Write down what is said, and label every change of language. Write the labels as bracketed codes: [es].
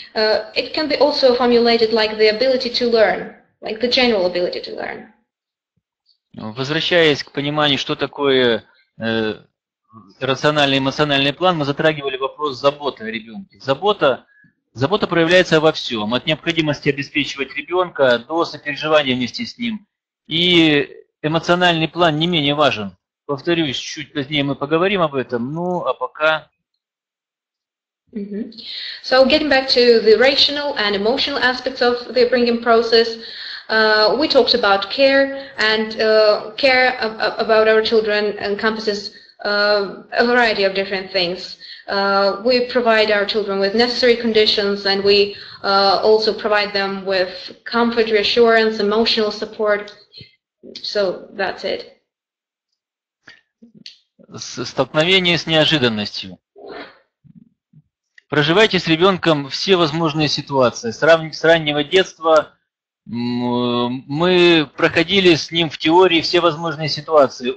[en] It can be also formulated like the ability to learn, like the general ability to learn. [ru] Возвращаясь к пониманию, что такое рациональный и эмоциональный план, мы затрагивали вопрос заботы о ребенке. Забота проявляется во всем, от необходимости обеспечивать ребенка до сопереживания вместе с ним. И эмоциональный план не менее важен. Повторюсь, чуть позднее мы поговорим об этом, ну а пока... [en] So getting back to the rational and emotional aspects of the upbringing process, We talked about care, and care about our children encompasses a variety of different things. We provide our children with necessary conditions, and we also provide them with comfort, reassurance, emotional support. So that's it. [ru] Столкновение с неожиданностью. Проживайте с ребенком все возможные ситуации. С раннего детства мы проходили с ним в теории все возможные ситуации.